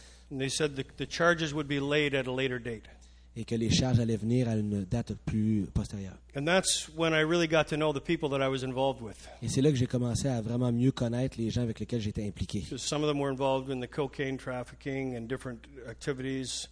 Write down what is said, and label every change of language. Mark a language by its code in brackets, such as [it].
[en] And they said the charges would be laid at a later date. [fr] Et que les charges allaient venir à une date plus postérieure. [en] And that's when I really got to know the people that I was involved with. [fr] Et c'est là que j'ai commencé à vraiment mieux connaître les gens avec lesquels j'étais impliqué. [en] Because some of them were involved in the cocaine trafficking and different activities.